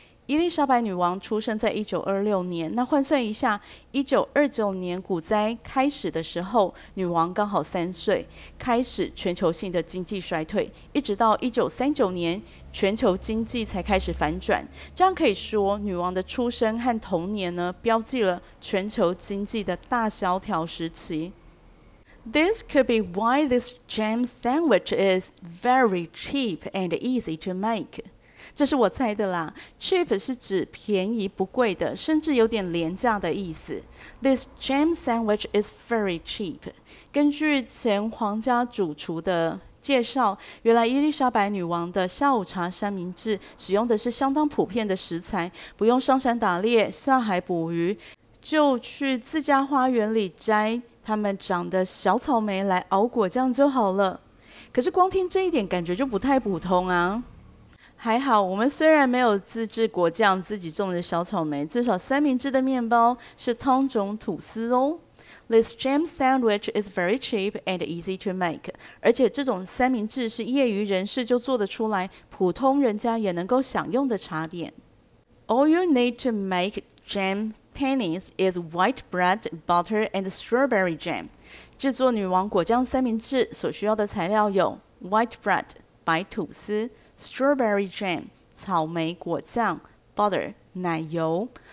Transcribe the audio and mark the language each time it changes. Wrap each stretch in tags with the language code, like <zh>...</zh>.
<zh>伊丽莎白女王出生在1926年，那换算一下，1929年股灾开始的时候，女王刚好三岁，开始全球性的经济衰退，一直到1939年，全球经济才开始反转。这样可以说，女王的出生和童年呢，标记了全球经济的大萧条时期。</zh> <en>This could be why this jam sandwich is very cheap and easy to make.</en> <zh>这是我猜的啦。Cheap 是指便宜不贵的，甚至有点廉价的意思。</zh> <en>This jam sandwich is very cheap.</en> <zh>根据前皇家主厨的介绍，原来伊丽莎白女王的下午茶三明治使用的是相当普遍的食材，不用上山打猎下海捕鱼，就去自家花园里摘他们长的小草莓来熬果酱就好了。可是光听这一点感觉就不太普通啊。还好我们虽然没有自制果酱自己种的小草莓，至少三明治的面包是汤种吐司哦。</zh> <en>This jam sandwich is very cheap and easy to make.</en> <zh>而且这种三明治是业余人士就做得出来，普通人家也能够享用的茶点。</zh> <en>All you need to make jam pannies is white bread, butter and strawberry jam.</en> <zh>制作女王果酱三明治所需要的材料有 white bread,白吐司 strawberry jam 草莓果酱 butter 奶油。</zh>